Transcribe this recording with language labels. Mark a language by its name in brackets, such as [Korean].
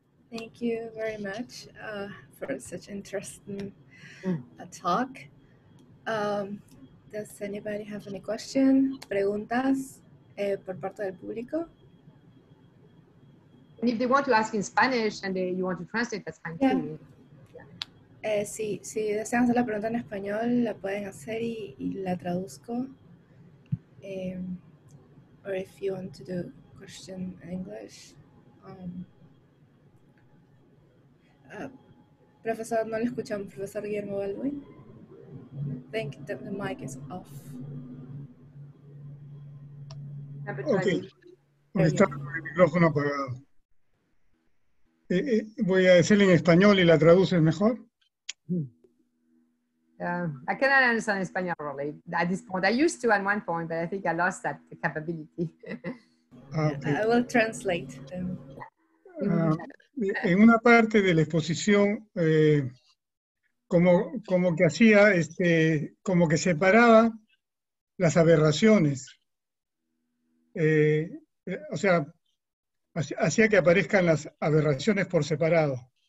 [English] Thank you very much for such interesting talk. Does anybody have any question? [Spanish] Preguntas por parte del público? [English] And if they want to ask in Spanish and they, you want to translate, that's fine too. [Spanish] Si desean hacer la pregunta en español, la pueden hacer y la traduzco. [English] Or if you want to do question in English. [Spanish] Profesor, no le escuchamos, profesor Guillermo Baldwin. [English] Think that the mic is off. [Spanish] Okay. Está el micrófono apagado. Voy a decirle en español y la traduces mejor. [English] I cannot understand español really at this point. I used to at one point, but I think I lost that capability. Okay. I will translate. [Spanish] En una parte de la exposición, como que hacía, como que separaba las aberraciones. O sea, hacía que aparezcan las aberraciones por separado.